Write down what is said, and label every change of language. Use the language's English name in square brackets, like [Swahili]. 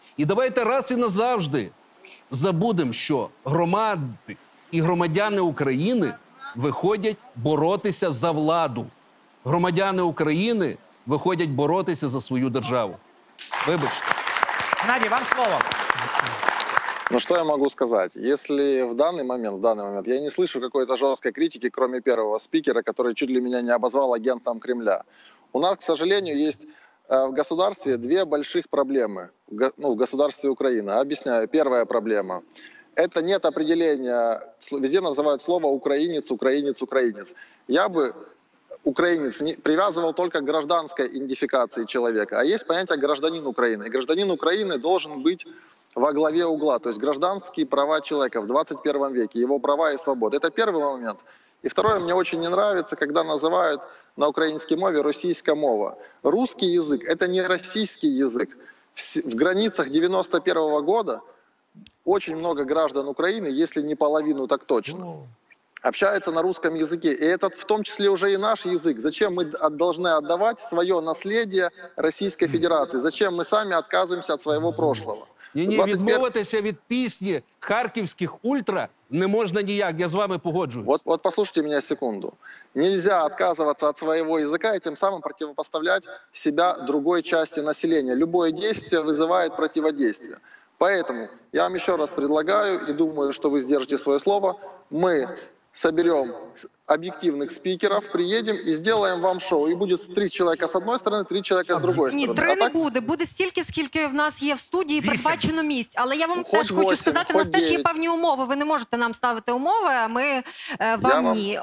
[Ukrainian] І давайте раз і назавжди забудемо, що громади і громадяни України виходять боротися за владу. Громадяни України виходять боротися за свою державу. Вибачте. Надя, вам слово. [Russian] Ну что я могу сказать? Если в данный момент, я не слышу какой-то жесткой критики, кроме первого спикера, который чуть ли меня не обозвал агентом Кремля. У нас, к сожалению, есть в государстве две больших проблемы. Ну, в государстве Украины. Объясняю. Первая проблема. Это нет определения. Везде называют слово «украинец», «украинец», «украинец». Я бы «украинец» не привязывал только к гражданской идентификации человека. А есть понятие «гражданин Украины». И гражданин Украины должен быть во главе угла, то есть гражданские права человека в 21 веке, его права и свободы. Это первый момент. И второе, мне очень не нравится, когда называют на украинской мове российская мова. Русский язык – это не российский язык. В границах 91 года очень много граждан Украины, если не половину, так точно, общаются на русском языке. И это в том числе уже и наш язык. Зачем мы должны отдавать свое наследие Российской Федерации? Зачем мы сами отказываемся от своего прошлого? [Ukrainian] Ні-ні, відмовитися від пісні харківських ультра не можна ніяк, я з вами погоджуюсь. От послухайте мене секунду. Нельзя відмовитися від свого язика і тим самим противопоставляти себе [Russian] другой части [Ukrainian] населення. [Russian] Любое действие вызывает противодействие. Поэтому я вам еще раз предлагаю и думаю, что вы сдержите свое слово. Мы соберем [Ukrainian] об'єктивних спікерів, приїдемо і зробимо вам шоу. І буде три чоловіка з одної сторони, три чоловіка з іншої сторони. Ні, три не буде. Буде стільки, скільки в нас є в студії передбачено місць. Але я вам теж хочу сказати, у нас теж є певні умови. Ви не можете нам ставити умови, а ми вам ні.